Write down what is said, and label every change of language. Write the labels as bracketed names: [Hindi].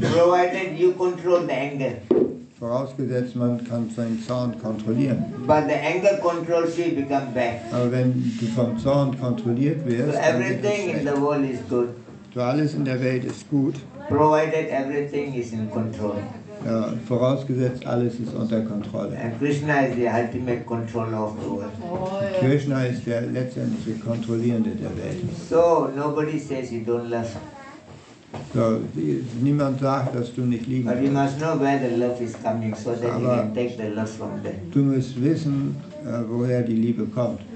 [English] Provided you control the anger. [German] Vorausgesetzt, man kann seinen Zorn kontrollieren. [English] But the anger controls you, become bad. [German] Aber wenn du vom Zorn kontrolliert wirst, [English] so everything in the world is good. [German] So alles in der Welt ist gut. [English] Provided everything is in control. [German] Ja, vorausgesetzt, alles ist unter Kontrolle. [English] And Krishna is the ultimate control of the world. Oh, yeah. [German] Krishna ist der letztendliche Kontrollierende der Welt. [English] So nobody says you don't love. [German] So, niemand sagt, dass du nicht lieben kannst. [English] But you must know where the love is coming, so that [German] aber [English] you can take the love from there. [German] Du musst wissen, woher die Liebe kommt.